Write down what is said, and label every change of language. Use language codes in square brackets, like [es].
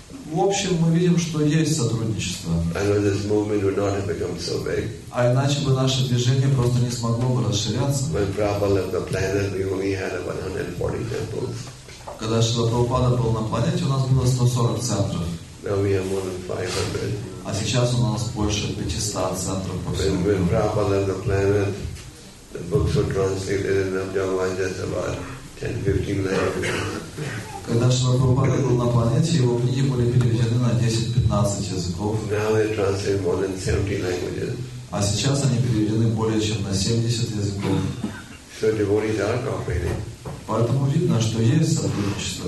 [ru] В общем, мы видим, что есть сотрудничество. [en] This movement would not have become so big. [ru] А иначе бы наше движение просто не смогло бы расширяться. Когда Шрила Прабхупада был на планете, у нас было 140 центров. [en] Now we have more than 500. [ru] А сейчас у нас больше 500 центров по всему миру. [en] When Prabhupada left the planet, the books were translated in Punjab languages about 10-15 languages. [ru] Когда Шрила Прабхупада был на планете, его книги были переведены на 10-15 языков. [en] Now they translate more than 70 languages. [ru] А сейчас они переведены более чем на 70 языков. [en] So devotees are cooperating. [ru] Поэтому видно, что есть сотрудничество.